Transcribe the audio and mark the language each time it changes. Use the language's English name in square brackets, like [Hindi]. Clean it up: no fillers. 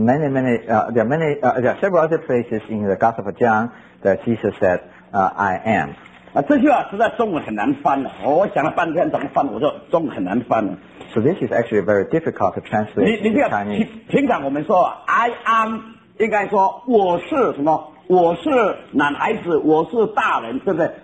[English] Several other places in the Gospel of John that Jesus said, "I am." [Chinese] 啊，这句话实在中文很难翻了。我想了半天怎么翻，我说中文很难翻了。 [English] So this is actually very difficult to translate. [Chinese] 你不要平常我们说 [English] "I am"， [Chinese] 应该说我是什么？我是男孩子，我是大人，对不对？